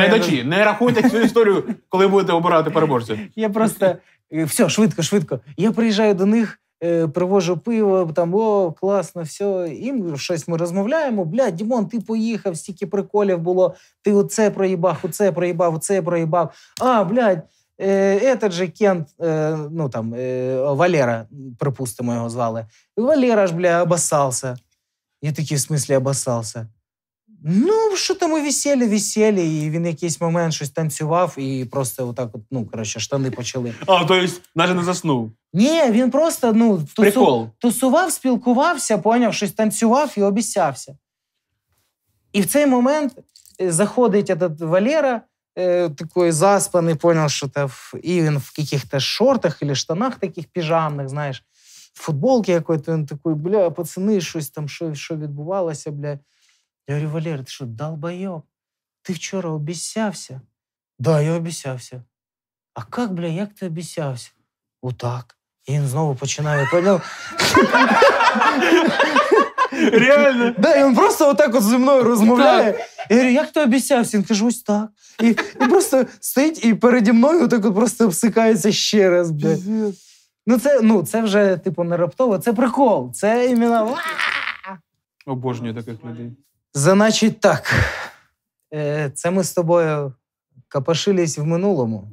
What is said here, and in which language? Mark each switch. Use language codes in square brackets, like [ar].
[uk] Глядачі, не рахуйте цю історію, коли будете обирати переможця. Я просто... Все, швидко. Я приїжджаю до них, привожу пиво, там, о, класно, все. І щось ми розмовляємо. Бля, Дімон, ти поїхав, стільки приколів було. Ти оце проїбав, оце проїбав, оце проїбав. А, блядь. [ru] Этот же Кент, [uk] ну там, Валера, пропустимо його звали. [ru] Валера ж, бля, обоссался. Я такий, в смысле, обоссался? [uk] Ну, що там, висели, і він якийсь момент щось танцював, і просто отак, ну, короче, штани почали. А, [ru] то есть, [uk] навіть не заснув? Ні, він просто, ну, тусував, спілкувався, поняв, щось танцював і обіссявся. [ru] І в цей момент заходить этот Валера, такой заспанный, понял, что это и он в каких-то шортах или штанах таких пижамных, знаешь, в футболке какой-то, он такой, бля, пацаны, что-то там, [uk] что відбувалося, [ru] бля. Я говорю, Валера, ты что, долбоёб? Ты вчера обесявся? Да, я обесявся. А как, бля, як ты обесявся? Вот так. И он снова починает, понял? Реально? Да, и он просто вот так вот со мной розмовляє. [uk] Я говорю, як ти обіцявся? Він каже, ось так. І просто стоїть і переді мною отак от просто обсикається ще раз. Ну це вже, типу, не раптово, це прикол. Це іменно... Обожнюю таких людей. Значить так, це ми з тобою капашились в минулому,